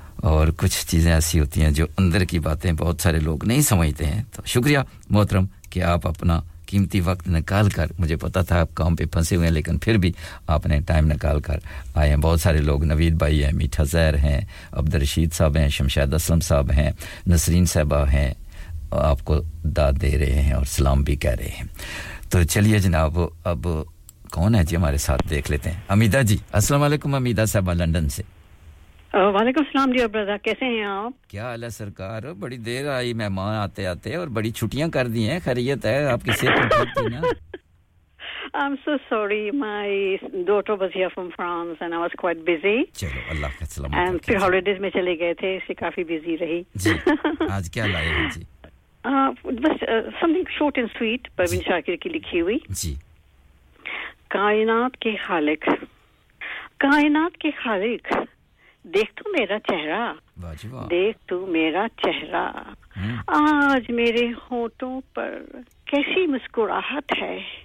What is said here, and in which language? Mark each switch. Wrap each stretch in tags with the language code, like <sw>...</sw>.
<ur>اور کچھ چیزیں ایسی ہوتی ہیں جو اندر کی باتیں بہت سارے لوگ نہیں سمجھتے ہیں تو شکریہ محترم کہ آپ اپنا قیمتی وقت نکال کر مجھے پتا تھا آپ کام پہ پھنسے ہوئے ہیں لیکن پھر بھی آپ نے ٹائم نکال کر آئے ہیں بہت سارے لوگ نوید بھائی ہیں میٹھا زہر ہیں عبدالرشید صاحب ہیں شمشاد اسلم صاحب ہیں نسرین صاحبہ ہیں آپ کو داد دے رہے ہیں اور سلام بھی کہہ رہے ہیں تو چلیے جناب اب کون ہے جی ہمارے ساتھ دیکھ لیتے ہیں امیدہ جی السلام علیکم امیدہ صاحبہ لندن سے وعلیکم السلام ڈیئر برادر کیسے ہیں آپ کیا حال ہے سرکار بڑی دیر آئی مہمان آتے آتے اور بڑی چھٹیاں کر دی ہیں خیریت ہے آپ کی صحت ٹھیک تھی نا</ur> <en>I'm so sorry my daughter was here from France and I was quite busy</en> <ur>چلو اللہ کا سلام and پھر ہالیڈیز میں چلے گئے تھے اس سے کافی بزی رہی جی آج کیا لائے ہیں جی بس</ur> <en>something short and sweet</en> <ur>Parveen Shakir کی لکھی ہوئی جی کائنات کے خالق دیکھ تو میرا چہرہ دیکھ تو میرا چہرہ آج میرے ہونٹوں پر کیسی مسکراہٹ ہے</ur>